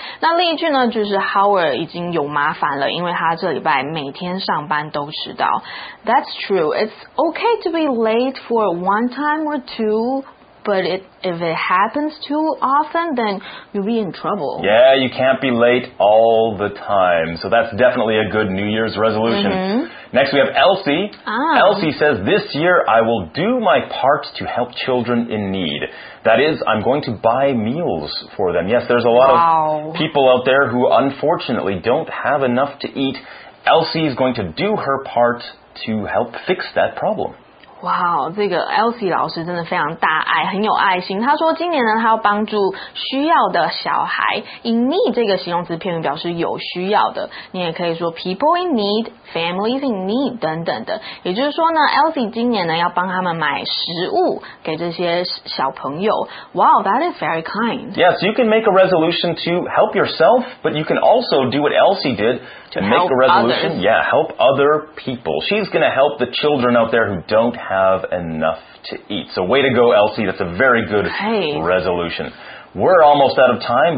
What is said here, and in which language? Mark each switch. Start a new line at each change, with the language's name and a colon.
Chinese: 那另一句呢，就是 Howard 已经有麻烦了，因为他这礼拜每天上班都迟到。
English: That's true. It's okay to be late for one time or two. But if it happens too often, then you'll be in trouble. Yeah, you can't be late all the time. So that's definitely a good New Year's resolution. Mm-hmm. Next, we have Elsie. Elsie says, this year I will do my part to help children in need. That is, I'm going to buy meals for them. Yes, there's a lot of people out there who unfortunately don't have enough to eat. Elsie is going to do her part to help fix that problem.
Chinese: 哇，这个 Elsie 老师真的非常大爱，很有爱心。他说今年呢，他要帮助需要的小孩。 in need 这个形容词片语表示有需要的，你也可以说
English: people in need, families in need
Chinese: 等等的。也就是说呢， Elsie 今年呢要帮他们买食物给这些小朋友。
English: Wow, that is very kind. Yes, you can make a resolution to help yourself, but you can also do what Elsie did to make a resolution. Yeah, help other people. She's going to help the children out there who don't have enough to eat. So way to go, Elsie. That's a very good resolution. We're almost out of time.